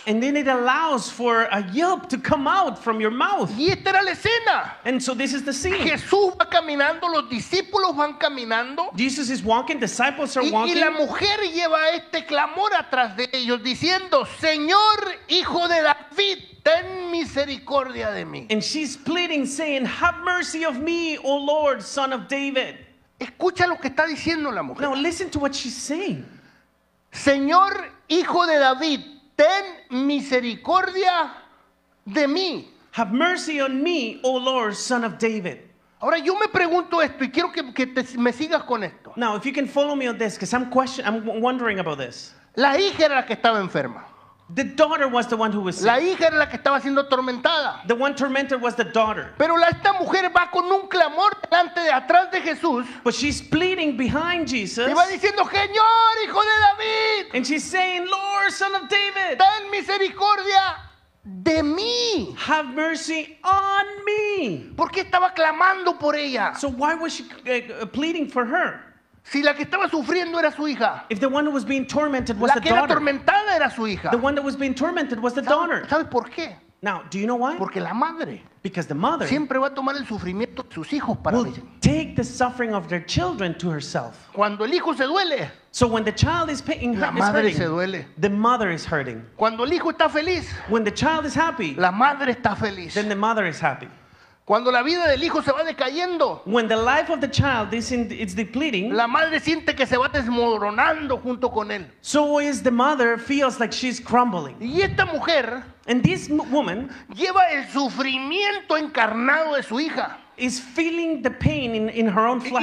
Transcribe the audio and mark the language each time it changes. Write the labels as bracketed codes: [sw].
[en] And then it allows for a yelp to come out from your mouth. [es] Y esta era la escena. [en] And so this is the scene. [es] Jesús va caminando, los discípulos van caminando. [en] Jesus is walking, disciples are walking. [es] Y la mujer lleva este clamor atrás de ellos diciendo, Señor, Hijo de David, ten misericordia de mí. [en] And she's pleading, saying, have mercy of me, O Lord, Son of David. [es] Escucha lo que está diciendo la mujer. [en] Now listen to what she's saying. [es] Señor, Hijo de David, ten misericordia de mí. [en] Have mercy on me, O Lord, Son of David. [es] Ahora yo me pregunto esto y quiero que me sigas con esto. [en] Now if you can follow me on this, because I'm wondering about this. [es] La hija era la que estaba enferma. [en] The daughter was the one who was sick. [es] La hija era la que estaba siendo atormentada. [en] The one tormented was the daughter. [es] Pero esta mujer va con un clamor delante de atrás de Jesús. [en] But she's pleading behind Jesus. [es] Y va diciendo, Señor, Hijo de David. [en] And she's saying, Lord, Son of David. [es] Ten misericordia de mí. [en] Have mercy on me. [es] ¿Por qué estaba clamando por ella? [en] So why was she pleading for her? [es] Si la que estaba sufriendo era su hija. [en] If the one who was being tormented was [es] la [en] the daughter. [es] La que era atormentada era su hija. [en] The one that was being tormented was the daughter. [es] ¿Sabes por qué? [en] Now, do you know why? [es] Porque la madre. [en] Because the mother. [es] Siempre va a tomar el sufrimiento de sus hijos para ella. [en] Will take the suffering of their children to herself. [es] Cuando el hijo se duele. [en] So when the child is hurting. [es] La madre se duele. [en] The mother is hurting. [es] Cuando el hijo está feliz. [en] When the child is happy. [es] La madre está feliz. [en] Then the mother is happy. [es] Cuando la vida del hijo se va decayendo, [en] when the life of the child is in, it's depleting, [es] la madre siente que se va desmoronando junto con él. [en] So is the mother feels like she's crumbling. [es] Y esta mujer, [en] and this woman, [es] lleva el sufrimiento encarnado de su hija. [en] Is feeling the pain in her own flesh.